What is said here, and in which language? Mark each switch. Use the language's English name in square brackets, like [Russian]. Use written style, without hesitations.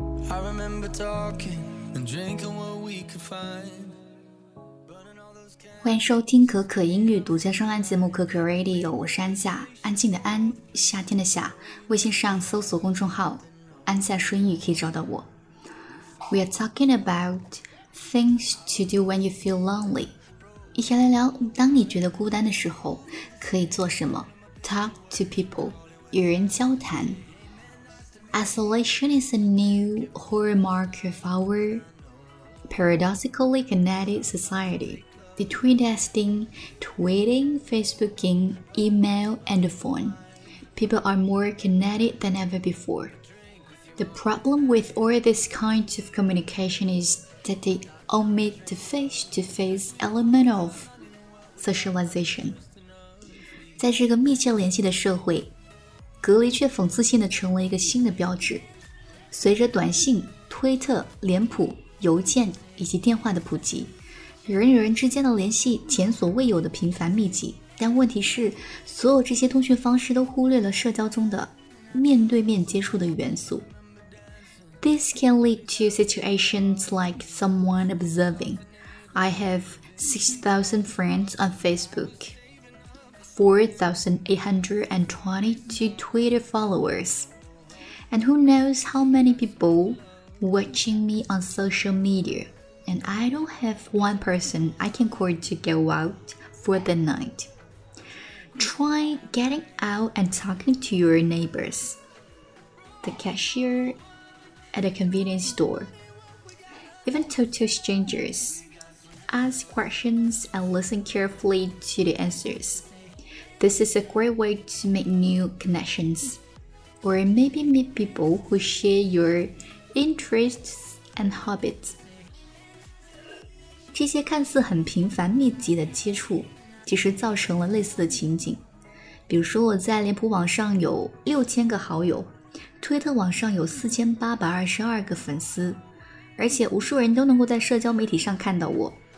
[English] I remember talking and drinking what we could find。 [Chinese] 欢迎收听可可英语独家专栏节目可可 Radio， 我是安夏，安静的安，夏天的夏。微信上搜索公众号安夏说英语可以找到我。 [English] We are talking about things to do when you feel lonely， [Chinese] 一起来聊当你觉得孤单的时候可以做什么。 [English] Talk to people， [Chinese] 与人交谈。 [English] Isolation is a new hallmark of our paradoxically connected societyBetween testing, tweeting, Facebooking, email, and the phone, people are more connected than ever before. The problem with all these kinds of communication is that they omit the face-to-face element of socialization. [Chinese] 在这个密切联系的社会，隔离却讽刺性地成为一个新的标志。随着短信、推特、脸谱、邮件以及电话的普及，人与人之间的联系前所未有的频繁密集，但问题是，所有这些通讯方式都忽略了社交中的面对面接触的元素。 [English] This can lead to situations like someone observing. I have 6,000 friends on Facebook, 4,822 Twitter followers, and who knows how many people watching me on social media. And I don't have one person I can call to go out for the night. Try getting out and talking to your neighbors, the cashier at a convenience store, even total strangers. Ask questions and listen carefully to the answers. This is a great way to make new connections, or maybe meet people who share your interests and hobbies. [Chinese] 这些看似很频繁密集的接触，其实造成了类似的情景。比如说，我在脸谱网上有6000个好友，推特网上有4822个粉丝，而且无数人都能够在社交媒体上看到我。